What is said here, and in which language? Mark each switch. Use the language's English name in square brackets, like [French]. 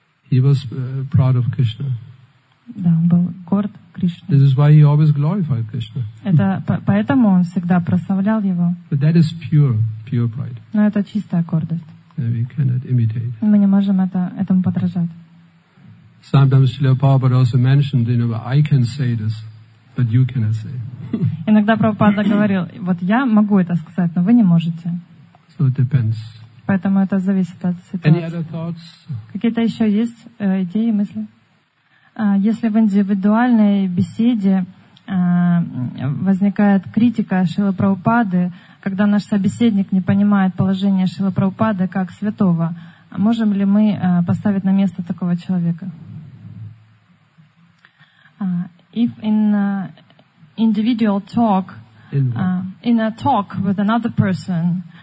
[English] He was proud of Krishna. [Russian] Да, он был горд Кришной. [English] This is why he always glorified Krishna. [Russian] Это поэтому он всегда прославлял его. [English] But that is pure, pure pride. [Russian] Но это чистая гордость. [English] And we cannot imitate. [Russian] Мы не можем этому подражать. [English] Sometimes Srila Prabhupada also mentioned, you know, I can say this, but you cannot say. [Russian] Иногда Прабхупада говорил: вот я могу это сказать, но вы не можете. [English] So it depends. [Russian] Поэтому это зависит от ситуации. [English] Any other thoughts? [Russian] Какие-то еще есть идеи, мысли? Если в индивидуальной беседе возникает критика Шрилы Прабхупады, когда наш собеседник не понимает положение Шрилы Прабхупады как святого, можем ли мы поставить на место такого человека? [English] If in individual talk, in a talk with another person,